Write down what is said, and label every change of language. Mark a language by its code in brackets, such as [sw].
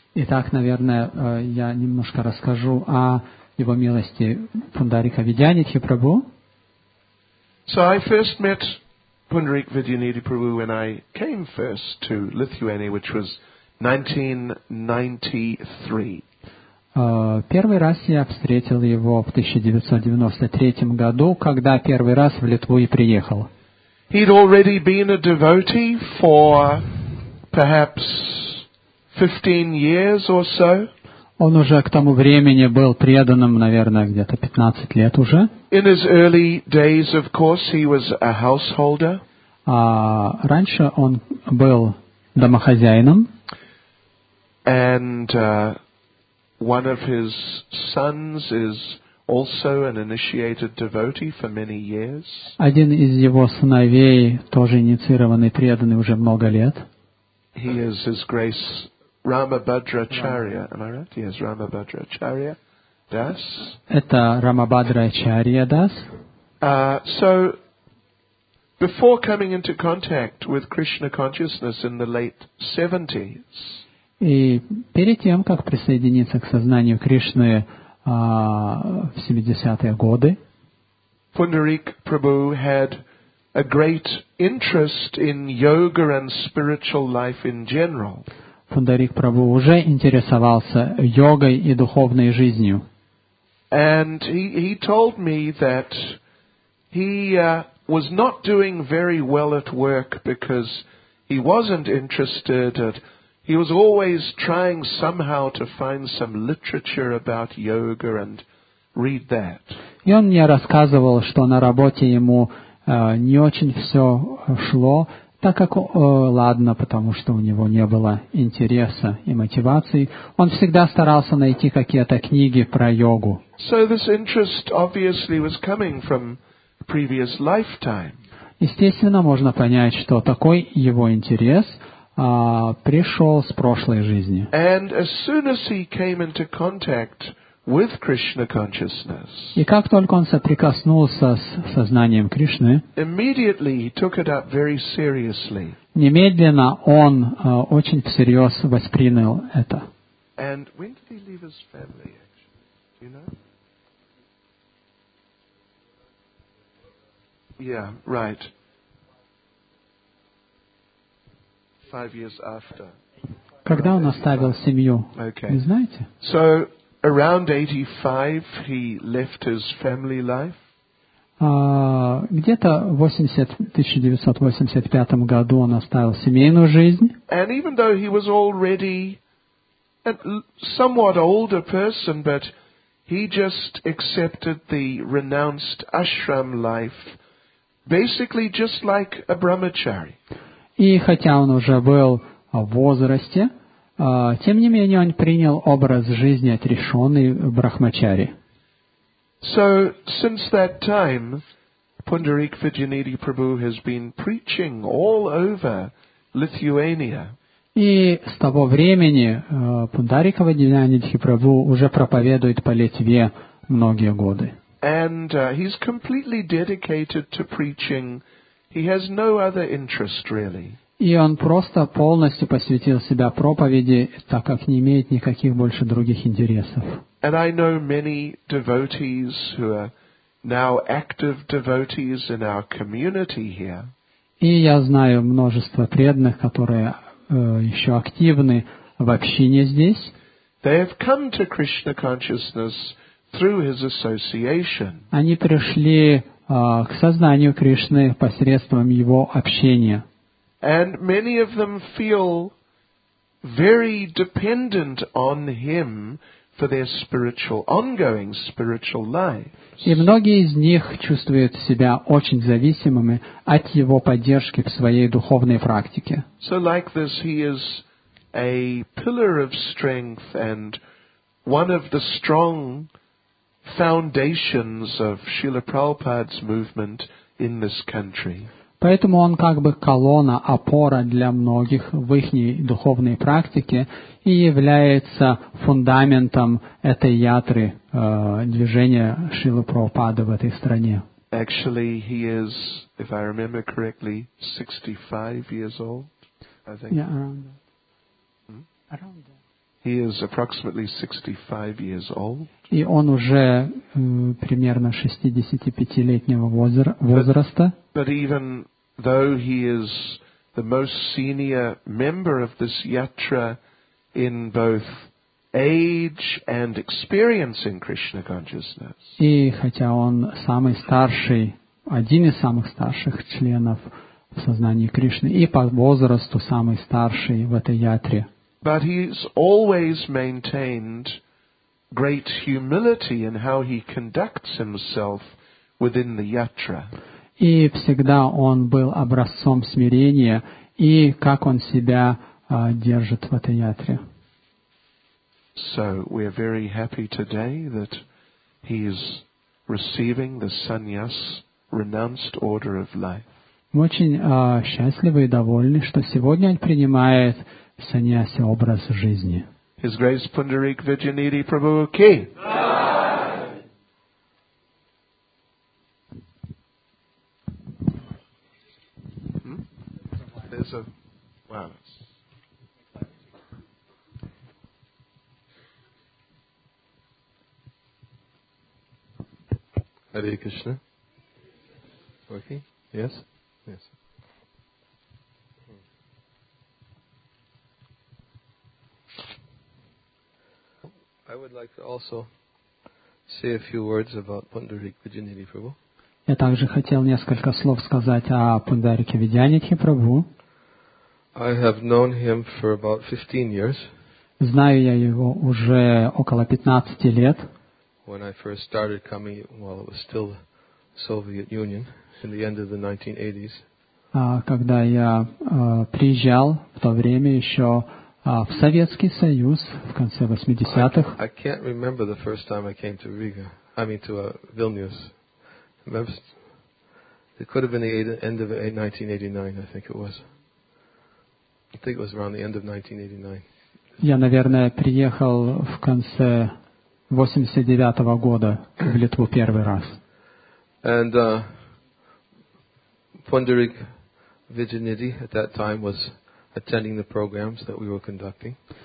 [ru] И так, наверное, я немножко расскажу о Его милости Пундарика Видьянидхи Прабху. [en] So I first met Pundarik Vidyanidhi Prabhu when I came first to Lithuania, which was 1993. [ru] Первый раз я встретил его в 1993 году, когда первый раз в Литву и приехал. [en] He'd already been a devotee for perhaps 15 years or so. [ru] Он уже к тому времени был преданным, наверное, где-то 15 лет уже. [en] In his early days, of course, he was a householder. [ru] А раньше он был домохозяином. [en] And one of his sons is also an initiated devotee for many years. [ru] Один из его сыновей тоже инициированный преданный уже много лет. [en] He is His Grace Ramabhadracharya. Am I right? He is Ramabhadracharya Das. [ru] Это Рамабхадрачарья Дас. [en] So before coming into contact with Krishna consciousness in the late 70s. [ru] И перед тем, как присоединиться к сознанию Кришны в 70-е годы, [en] Пундарик Прабху had a great interest in yoga and spiritual life in general. [ru] Пундарик Прабху уже интересовался йогой и духовной жизнью. [en] And he told me that he was not doing very well at work because he wasn't interested at He was always trying somehow to find some literature about yoga and read that. [ru] И он мне рассказывал, что на работе ему не очень все шло, так как, ладно, потому что у него не было интереса и мотивации. Он всегда старался найти какие-то книги про йогу. [en] So this interest obviously was coming from previous lifetime. [ru] Естественно, можно понять, что такой его интерес пришел с прошлой жизни. [en] And as soon as he came into contact with Krishna consciousness, [ru] и как только он соприкоснулся с сознанием Кришны, [en] immediately he took it up very seriously. [ru] Немедленно он очень всерьез воспринял это. [en] And when did he leave his family, actually? Do you know? Yeah, right. 5 years after. [ru] Когда он оставил семью? [en] Okay. [ru] Не знаете? [en] So around 85 he left his family life. [ru] Где-то в 1985 году он оставил семейную жизнь. [en] And even though he was already a somewhat older person, but he just accepted the renounced ashram life, basically just like a brahmachari. [ru] И хотя он уже был в возрасте, тем не менее он принял образ жизни отрешенный брахмачари. [en] So, since that time, Pundarik Vidyanidhi Prabhu has been preaching all over Lithuania. [ru] И с того времени Пундарика Вадинянидхи Прабху уже проповедует по Литве многие годы. [en] And he's completely dedicated to preaching. He has no other interest, really. [ru] И он просто полностью посвятил себя проповеди, так как не имеет никаких больше других интересов. [en] And I know many devotees who are now active devotees in our community here. [ru] И я знаю множество преданных, которые еще активны в общине здесь. [en] They have come to Krishna consciousness through his association. [ru] Они пришли к сознанию Кришны посредством его общения. [en] And many of them feel very dependent on him for their spiritual, ongoing spiritual lives. [ru] И многие из них чувствуют себя очень зависимыми от его поддержки в своей духовной практике. [en] So like this, he is a pillar of strength and one of the strong foundations of Srila Prabhupada's movement in this country. [ru] Поэтому он как бы колонна, опора для многих в их духовной практике и является фундаментом этой ятры движения Шрилы Прабхупады в этой стране. [en] Actually, he is, if I remember correctly, 65 years old, I think. Yeah, around that. Around that. He is approximately 65 years old. [ru] И он уже примерно 65-летнего возраста. [en] But even though he is the most senior member of this yatra in both age and experience in Krishna consciousness. [ru] И хотя он самый старший, один из самых старших членов в сознании Кришны и по возрасту самый старший в этой ятре. [en] But he's always maintained great humility in how he conducts himself within the yatra. [ru] И всегда он был образцом смирения и как он себя держит в этой ятре. [en] So we are very happy today that he is receiving the sannyas renounced order of life. [ru] Мы очень счастливы и довольны, что сегодня он принимает саньяси, образ жизни. [en] His Grace Pundarik Vijayaniti Prabhu Ki. There's a wow. Hare Krishna. Okay. Yes. Yes. I would like to also say a few words about Pundarik Vidyanidhi Prabhu. [ru] Я также хотел несколько слов сказать о Пундарике Видьянидхи Прабху. [en] I have known him for about 15 years. [ru] Знаю я его уже около 15 лет. [en] When I first started coming, while it was still Soviet Union, in the end of the 1980s. [ru] Когда я приезжал в то время еще. В Советский Союз в конце 80-х. [en] I can't remember the first time I came to Riga. I mean to Vilnius. It could have been the end of 1989, I think it was. I think it was around the end of 1989. [ru] Я, наверное, приехал в конце 89-го года в Литву первый раз. [en] And Pundarik Vidyanidhi at that time was attending the programs that we were conducting.